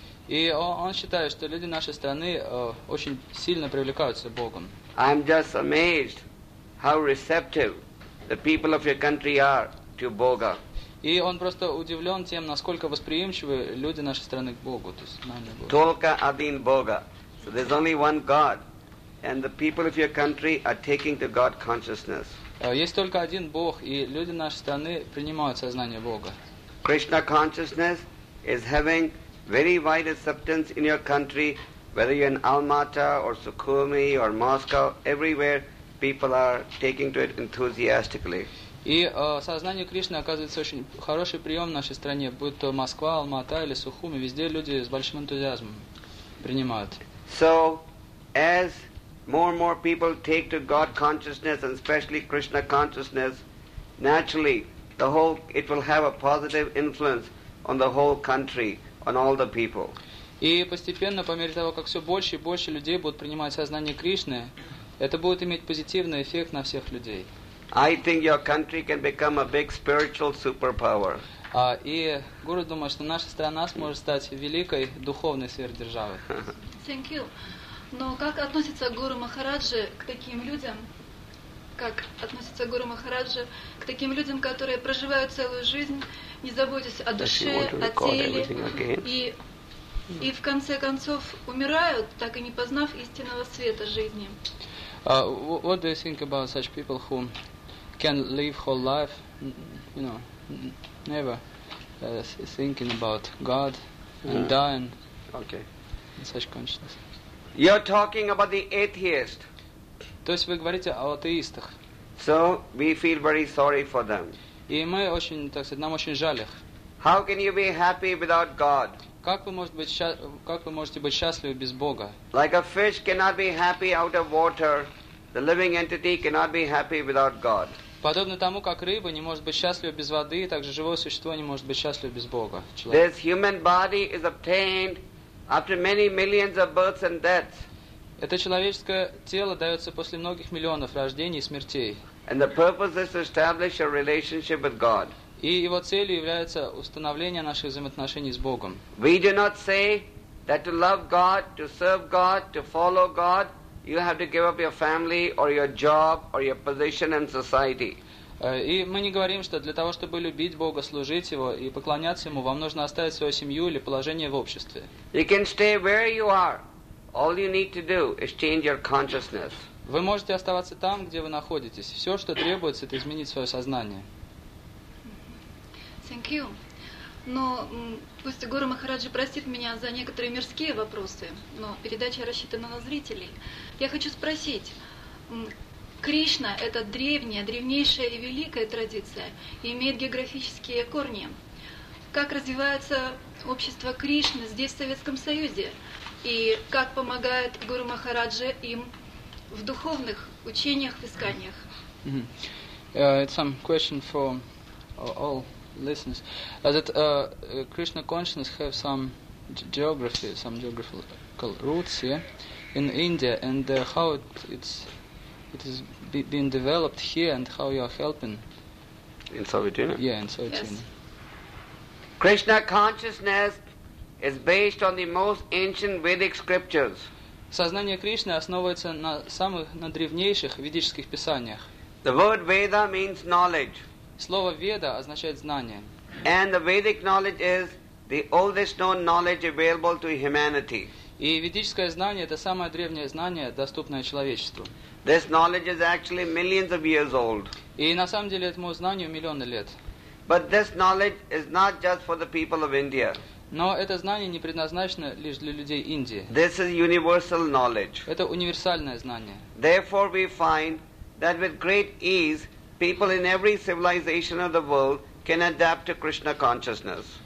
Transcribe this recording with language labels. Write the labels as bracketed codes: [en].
[ru] И он считает, что люди нашей страны очень сильно привлекаются к Богу. [en] I'm just amazed how receptive the people of your country are to Boga. [ru] И он просто удивлен тем, насколько восприимчивы люди нашей страны к Богу. Только один Бога. [en] So there's only one God. And the people of your country are taking to God consciousness. [ru] Есть только один Бог, и люди нашей страны принимают сознание Бога. [en] Krishna consciousness is having very wide acceptance in your country, whether you're in Almaty or Sukhumi or Moscow, everywhere people are taking to it enthusiastically. [ru] И сознание Кришны оказывается очень хороший прием в нашей стране, будь то Москва, Алма-Ата или Сухуми, везде люди с большим энтузиазмом принимают. [en] So, as more and more people take to God consciousness, and especially Krishna consciousness, naturally, the whole, it will have a positive influence on the whole country, on all the people. [ru] И постепенно, по мере того, как все больше и больше людей будут принимать сознание Кришны, это будет иметь позитивный эффект на всех людей. [en] I think your country can become a big spiritual superpower. [ru] И Гуру думает, что наша страна сможет стать великой духовной сверхдержавой. [en] Thank you. [ru] Но как относится Гуру Махараджи к таким людям, которые проживают целую жизнь, не заботясь о душе, о теле, и в конце концов умирают, так и не познав истинного света жизни? [en] What do you think about such people who can live whole life, you know, never thinking about God and dying? Okay. In such consciousness. You're talking about the atheist. [ru] То есть вы говорите о атеистах. [en] So we feel very sorry for them. [ru] И мы очень, так сказать, нам очень жаль их. [en] How can you be happy without God? [ru] Как вы можете быть счастливы без Бога? [en] Like a fish cannot be happy out of water, the living entity cannot be happy without God. [ru] Подобно тому, как рыба не может быть счастлива без воды, так же живое существо не может быть счастливо без Бога. [en] This human body is obtained after many millions of births and deaths. [ru] Это человеческое тело дается после многих миллионов рождений и смертей. [en] And the purpose is to establish a relationship with God. [ru] И его целью является установление наших взаимоотношений с Богом. [en] We do not say that to love God, to serve God, to follow God, you have to give up your family or your job or your position in society. [ru] И мы не говорим, что для того, чтобы любить Бога, служить Его и поклоняться Ему, вам нужно оставить свою семью или положение в обществе. [en] You can stay where you are. All you need to do is change your consciousness. [ru] Вы можете оставаться там, где вы находитесь. Все, что требуется, это изменить свое сознание. [en] thank you. [ru] Но пусть Гуру Махараджи простит меня за некоторые мирские вопросы, но передача рассчитана на зрителей. Я хочу спросить, Кришна — это древняя, древнейшая и великая традиция, и имеет географические корни. Как развивается общество Кришны здесь, в Советском Союзе? И как помогает Гуру Махараджи им в духовных учениях, в исканиях? [en] It's some question for all listeners. Krishna consciousness have some geography, some geographical roots here in India, and how it is being developed here, and how you are helping in Soviet Union. Yeah, in Soviet Union. Yes. Krishna consciousness is based on the most ancient Vedic scriptures. [ru] Сознание Кришны основывается на древнейших ведических писаниях. [en] The word Veda means knowledge. [ru] Слово Веда означает знание. [en] And the Vedic knowledge is the oldest known knowledge available to humanity. [ru] И ведическое знание — это самое древнее знание, доступное человечеству. [en] This knowledge is actually millions of years old. [ru] И на самом деле этому знанию миллионы лет. [en] But this knowledge is not just for the people of India. [ru] Но это знание не предназначено лишь для людей Индии. [en] This is universal knowledge. [ru] Это универсальное знание. [en] Therefore we find that with great ease people in every civilization of the world can adapt to Krishna consciousness.